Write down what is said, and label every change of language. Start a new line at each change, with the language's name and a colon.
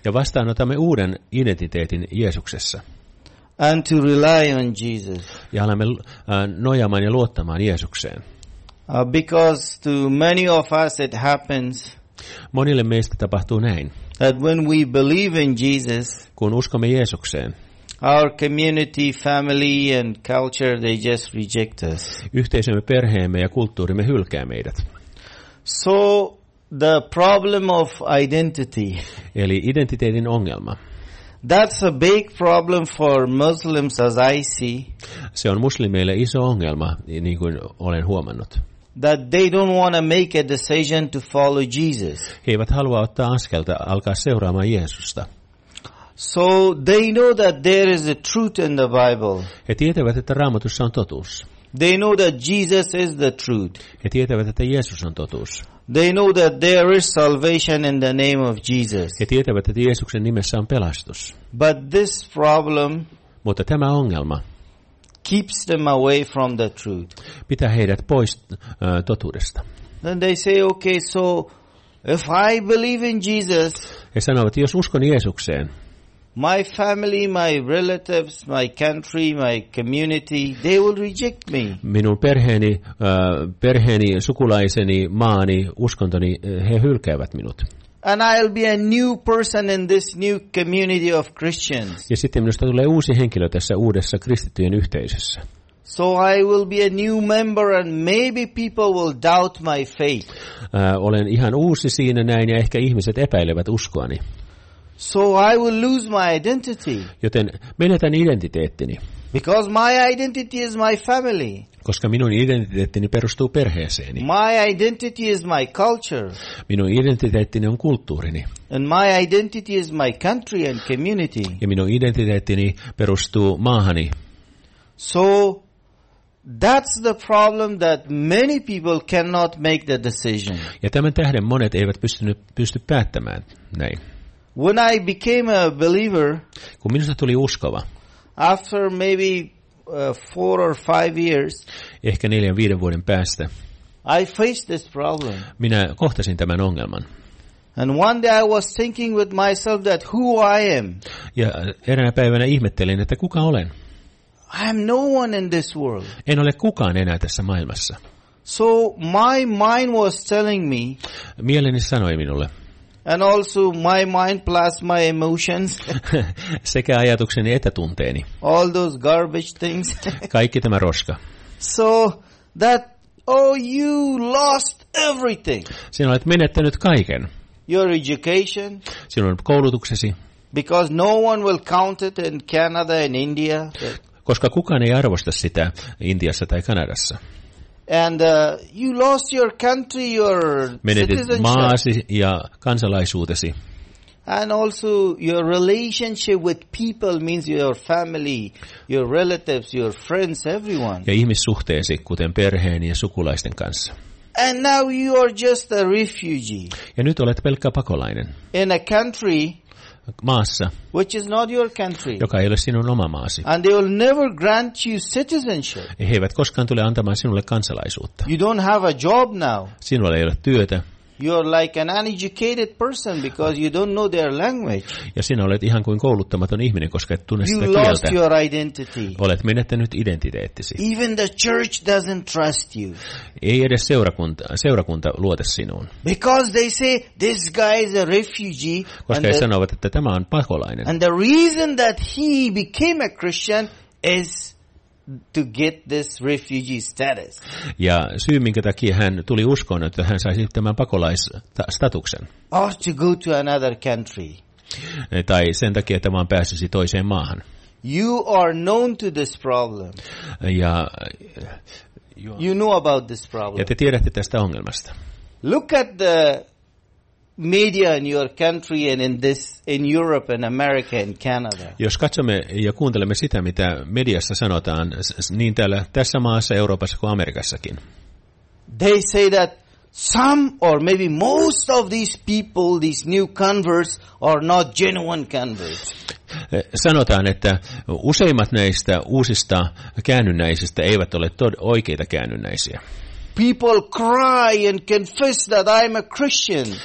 Finnish: Ja vastaanotamme uuden identiteetin Jeesuksessa.
English: And to rely on Jesus.
Finnish: Ja alamme nojaamaan ja luottamaan Jeesukseen.
English: Because to many of us it happens.
Finnish: Monille meistä tapahtuu näin.
English: That when we believe in Jesus.
Finnish: Kun uskomme Jeesukseen.
English: Our community, family and culture, they just reject us.
Finnish: Yhteisömme, perheemme ja kulttuurimme hylkää meidät.
English: So The problem of identity.
Finnish: Eli identiteetin ongelma.
English: That's a big problem for Muslims, as I see.
Finnish: Se on muslimeille iso ongelma, niin kuin olen huomannut.
English: That they don't want to make a decision to follow Jesus.
Finnish: He eivät halua ottaa askelta, alkaa seuraamaan Jeesusta.
English: So they know that there is a truth in the Bible.
Finnish: He tietävät, että Raamatussa on totuus.
English: They know that Jesus is the truth.
Finnish: He tietävät, että Jeesus on totuus.
English: They know that there is salvation in the name of Jesus.
Finnish: He tietävät, että Jeesuksen nimessä on pelastus.
English: But this problem,
Finnish: mutta tämä ongelma,
English: keeps them away from the truth.
Finnish: Pitää heidät pois totuudesta.
English: Then they say, okay, so if I believe in Jesus,
Finnish: he sanovat, jos uskon Jeesukseen,
English: my family, my relatives, my country, my community, they will reject me.
Finnish: Minun perheeni, sukulaiseni, maani, uskontoni, he hylkäävät minut.
English: And I'll be a new person in this new community of Christians.
Finnish: Ja sitten minusta tulee uusi henkilö tässä uudessa kristittyjen yhteisössä.
English: So I will be a new member and maybe people will doubt my faith.
Finnish: Olen ihan uusi siinä näin ja ehkä ihmiset epäilevät uskoani.
English: So I will lose my identity.
Finnish: Joten menetän identiteettini.
English: Because my identity is my family.
Finnish: Koska minun identiteettini perustuu perheeseeni.
English: My identity is my culture.
Finnish: Minun identiteettini on kulttuurini.
English: And my identity is my country and community.
Finnish: Ja minun identiteettini perustuu maahani.
English: So that's the problem that many people cannot make the decision.
Finnish: Ja tämän tähden monet eivät pysty päättämään näin.
English: When I became a believer,
Finnish: kun minusta tuli uskova,
English: after maybe 4 or 5 years,
Finnish: ehkä 4-5 vuoden päästä,
English: I faced this problem.
Finnish: Minä kohtasin tämän ongelman.
English: And one day I was thinking with myself that who I am.
Finnish: Ja eräänä päivänä ihmettelin, että kuka olen.
English: I am no one in this world.
Finnish: En ole kukaan enää tässä maailmassa.
English: So my mind was telling me.
Finnish: Mieleni sanoi minulle.
English: And also my mind plus my emotions.
Finnish: Sekä ajatukseni että tunteeni.
English: All those garbage things.
Finnish: Kaikki tämä roska.
English: So that, oh, you lost everything.
Finnish: Sinä olet menettänyt kaiken.
English: Your education.
Finnish: Sinun koulutuksesi.
English: Because no one will count it in Canada and India.
Finnish: Koska kukaan ei arvosta sitä Intiassa tai Kanadassa.
English: And you lost your country, your
Finnish: menetit
English: citizenship.
Finnish: Maasi ja kansalaisuutesi.
English: And also your relationship with people means your family, your relatives, your friends, everyone.
Finnish: Ja ihmissuhteesi, kuten perheen ja sukulaisten kanssa.
English: And now you are just a refugee.
Finnish: Ja nyt olet pelkkä pakolainen.
English: In a country.
Finnish: Maassa.
English: Which is not your country.
Finnish: Joka ei ole sinun oma maasi.
English: And they will never grant you citizenship.
Finnish: He eivät koskaan tule antamaan sinulle kansalaisuutta.
English: You don't have a job now.
Finnish: Sinulla ei ole työtä.
English: You are like an uneducated person because you don't know their language.
Finnish: Ja sinä olet ihan kuin kouluttamaton ihminen, koska et tunne
English: you
Finnish: sitä kieltä.
English: You lost your identity.
Finnish: Olet menettänyt identiteettisi.
English: Even the church doesn't trust you.
Finnish: Ei edes seurakunta luota sinuun.
English: Because they say this guy is a refugee.
Finnish: Koska he sanovat, että tämä on pakolainen.
English: And the reason that he became a Christian is to get this refugee status.
Finnish: Ja syy, minkä takia hän tuli uskoon, että hän saisi tämän pakolaisstatuksen.
English: Or to go to another country.
Finnish: Tai sen takia, että vaan pääsisi toiseen maahan.
English: You are known to this problem.
Finnish: Ja
English: you know about this problem.
Finnish: Ja te tiedätte tästä ongelmasta.
English: Look at the media in your country and in this in Europe and America and Canada.
Finnish: Jos katsomme ja kuuntelemme sitä, mitä mediassa sanotaan, niin täällä tässä maassa Euroopassa kuin Amerikassakin.
English: They say that some or maybe most of these people, these new converts, are not genuine converts.
Finnish: Sanotaan, että useimmat näistä uusista käännynnäisistä eivät ole oikeita käännynnäisiä.
English: People cry and confess that I'm a Christian.